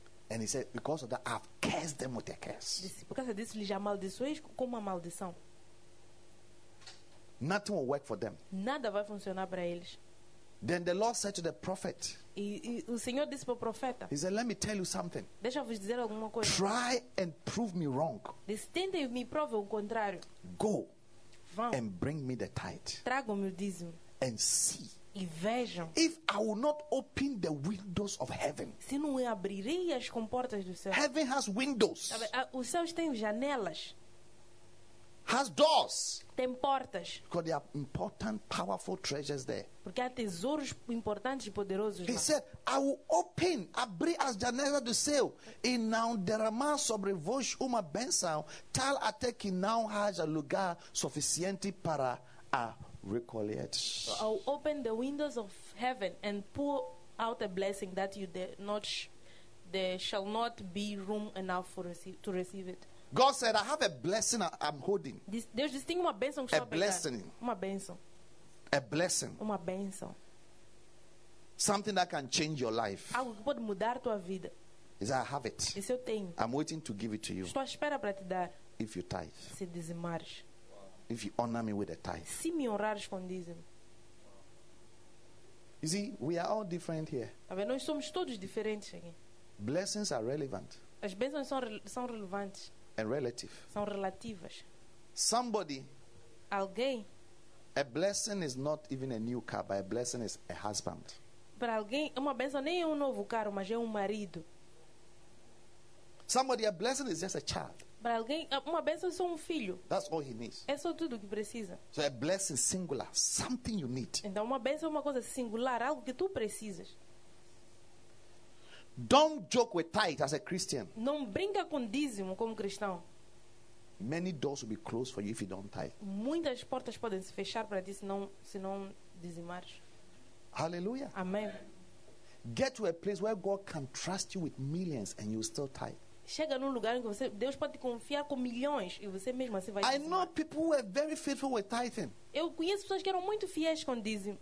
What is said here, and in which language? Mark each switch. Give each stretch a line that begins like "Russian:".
English: And he said, because of that, I've cursed them with a curse.
Portuguese: Disse, por causa disso, lhes amaldiçoei com uma maldição.
English: Nothing will work for them.
Portuguese: Nada vai funcionar para eles.
English: Then the Lord said to the prophet.
Portuguese: E o Senhor disse para o profeta.
English: He said, "Let me tell you something."
Portuguese: Deixa eu vos dizer alguma coisa.
English: Try and prove me wrong.
Portuguese: Tente me prove o contrário.
English: Go.
Portuguese: Vão.
English: And bring me the tithe.
Portuguese: Traga-me o dízimo.
English: And see.
Portuguese: E vejam.
English: If I will not open the windows of heaven.
Portuguese: Se não abrirei as comportas do céu.
English: Heaven has windows.
Portuguese: Os céus têm janelas.
English: Has doors.
Portuguese: Tem portas.
English: Because there are important, powerful treasures there.
Portuguese: Porque há tesouros importantes e poderosos lá.
English: He said, I will open,
Portuguese: abri as janelas do céu. E não derramar sobre vós uma bênção, tal até que não haja lugar suficiente para a recolher.
English: I will open the windows of heaven and pour out a blessing that you there shall not be room enough to receive it. God said, I have a blessing I'm holding.
Portuguese: Deus disse, tem uma bênção que estou a
English: blessing.
Portuguese: Uma bênção.
English: A blessing.
Portuguese: Uma bênção.
English: Something that can change your life.
Portuguese: Algo que pode mudar tua vida.
English: He said, I have it.
Portuguese: Isso eu tenho.
English: I'm waiting to give it to you.
Portuguese: Estou à espera para te dar.
English: If you tithe.
Portuguese: Se dizimares.
English: If you honor me with a tithe.
Portuguese: Se me honrares com dízimo.
English: You see, we are all different here.
Portuguese: A ver, nós somos todos diferentes aqui.
English: Blessings are relevant.
Portuguese: As bênçãos são relevantes.
English: And relative.
Portuguese: São relativas.
English: Somebody.
Portuguese: Alguém.
English: A blessing is not even a new car, but a blessing is a husband.
Portuguese: Para alguém, uma bênção nem é novo carro, mas é marido.
English: Somebody, a blessing is just a child.
Portuguese: Para alguém, uma bênção é só filho.
English: That's all he needs.
Portuguese: É só tudo que precisa.
English: So a blessing singular, something you need.
Portuguese: Então uma bênção é uma coisa singular, algo que tu precisas.
English: Don't joke with tithe as a Christian.
Portuguese: Não brinca com dízimo como cristão.
English: Many doors will be closed for you if you don't tithe.
Portuguese: Muitas portas podem se fechar para ti se não dizimares.
English: Hallelujah.
Portuguese: Amém.
English: Get to a place where God can trust you with millions and you still tithe.
Portuguese: Chega num lugar em que você, Deus pode te confiar com milhões e você mesmo assim vai.
English: I know people who are very faithful with tithing.
Portuguese: Eu conheço pessoas que eram muito fiéis com dízimo.